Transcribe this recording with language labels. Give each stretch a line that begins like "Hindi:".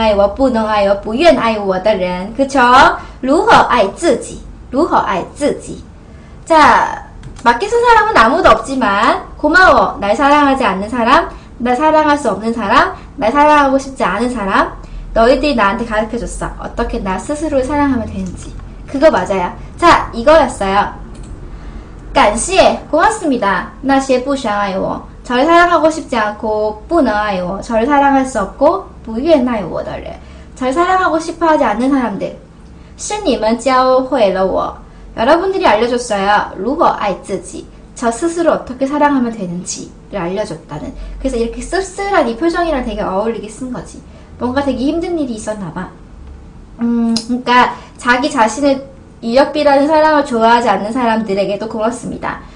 Chinese: 感谢那些不相爱我、不能爱我、不愿爱我的人。
Korean: 그쵸?
Chinese: 如何爱自己?如何爱自己?
Korean: 자, 맡기는 사람은 아무도 없지만 고마워. 날 사랑하지 않는 사람, 날 사랑할 수 없는 사람, 날 사랑하고 싶지 않은 사람. 너희들이 나한테 가르쳐줬어. 어떻게 나 스스로를 사랑하면 되는지. 그거 맞아요. 자, 이거였어요.
Chinese: 感谢,
Korean: 고맙습니다.
Chinese: 那些不相爱我,
Korean: 저를 사랑하고 싶지 않고,
Chinese: 不能爱我,
Korean: 저를 사랑할 수 없고,
Chinese: 不愿爱我的人,
Korean: 저를 사랑하고 싶어 하지 않는 사람들.
Chinese: 是你们教会了我,
Korean: 여러분들이 알려줬어요.
Chinese: 如何爱自己,
Korean: 저 스스로 어떻게 사랑하면 되는지를 알려줬다는. 그래서 이렇게 씁쓸한 이 표정이랑 되게 어울리게 쓴 거지. 뭔가 되게 힘든 일이 있었나봐. 그러니까 자기 자신의 이력비라는 사랑을 좋아하지 않는 사람들에게도 고맙습니다.